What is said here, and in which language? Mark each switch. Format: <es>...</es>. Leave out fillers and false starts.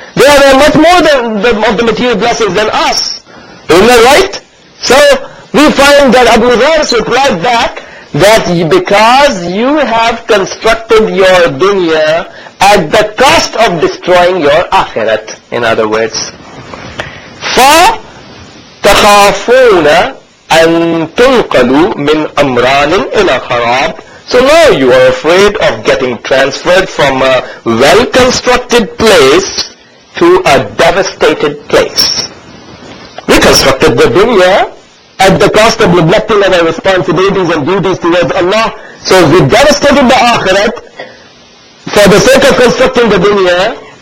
<en>They are much more than of the material blessings than us. Isn't that right? So we find that Abu Dharr replied back that because you have constructed your dunya at the cost of destroying your akhirat. In other words,</en> <ar>فَتَخَافُونَ أَن تُنْقَلُوا مِنْ أَمْرَانٍ إِلَى خَرَابٍ.</ar> <en>So now you are afraid of getting transferred from a well-constructed place to a devastated place. We constructed the dunya at the cost of neglecting our responsibilities and duties towards Allah. So we devastated the akhirat for the sake of constructing the dunya.</en>